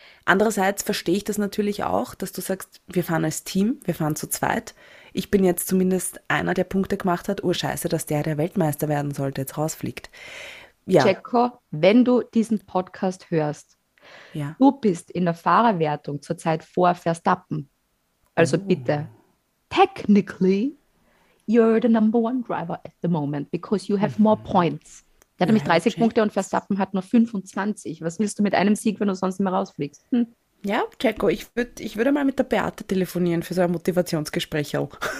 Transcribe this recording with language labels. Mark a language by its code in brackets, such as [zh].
[de] Andererseits verstehe ich das natürlich auch, dass du sagst, wir fahren als Team, wir fahren zu zweit. Ich bin jetzt zumindest einer, der Punkte gemacht hat. Oh scheiße, dass der Weltmeister werden sollte, jetzt rausfliegt. Ja. Checo, wenn du diesen Podcast hörst, du bist in der Fahrerwertung zurzeit vor Verstappen. Also bitte, [en] technically, you're the number one driver at the moment because you have more points. [de] Der hat nämlich 30 Punkte und Verstappen hat nur 25. Was willst du mit einem Sieg, wenn du sonst nicht mehr rausfliegst? Ja, Checo, ich würd mal mit der Beate telefonieren für so ein Motivationsgespräch auch.